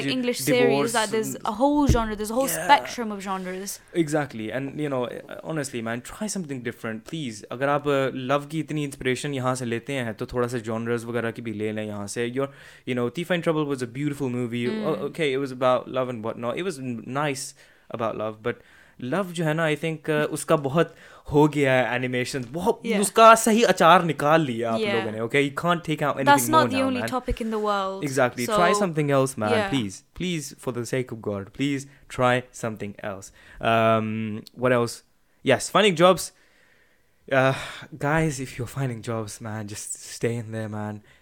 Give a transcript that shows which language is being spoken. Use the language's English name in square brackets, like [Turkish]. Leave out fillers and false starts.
[English] English series, that there's a whole genre, there's a whole spectrum of genres. Exactly. And you know, honestly, man, try something different, please. [Urdu] اگر آپ love کی اتنی inspiration یہاں سے لیتے ہیں تو تھوڑا سا genres وغیرہ کی بھی لے لیں یہاں سے۔ [English] You know, Thief in Trouble was a beautiful movie. Okay, it was about love and whatnot. It was nice about love, but love [Urdu] جو ہے نا، [English] I think [Urdu] اسکا بہت ہو گیا ہے animation بہت اسکا صحیح اچار نکال لیا آپ لوگوں نے۔ [English] Okay, you can't take out anything. That's not more the now, only man. Topic in the world. Exactly, so, try something else, man. Please for the sake of God, please try something else. What else? Yes, finding jobs. Guys, if you're finding jobs, man, just stay in there, man.